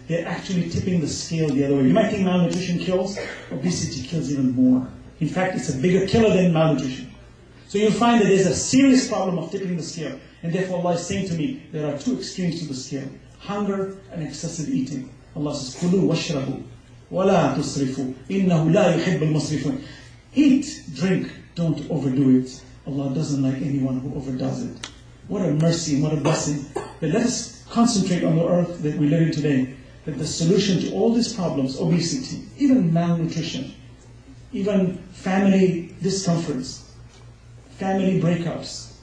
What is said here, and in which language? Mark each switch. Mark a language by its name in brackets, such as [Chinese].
[English] They're actually tipping the scale the other way. You might think malnutrition kills, obesity kills even more. In fact, it's a bigger killer than malnutrition. So you'll find that there's a serious problem of tipping the scale. And therefore Allah is saying to me, there are two extremes to the scale. Hunger and excessive eating. Allah says, [Arabic] كُلُوا وَاشْرَبُوا وَلَا تُصْرِفُوا إِنَّهُ لَا يُحِبُّ الْمُصْرِفُونَ. [English] Eat, drink, don't overdo it. Allah doesn't like anyone who overdoes it. What a mercy and what a blessing. But let us concentrate on the earth that we live in today. That the solution to all these problems, obesity, even malnutrition, even family discomforts, family breakups.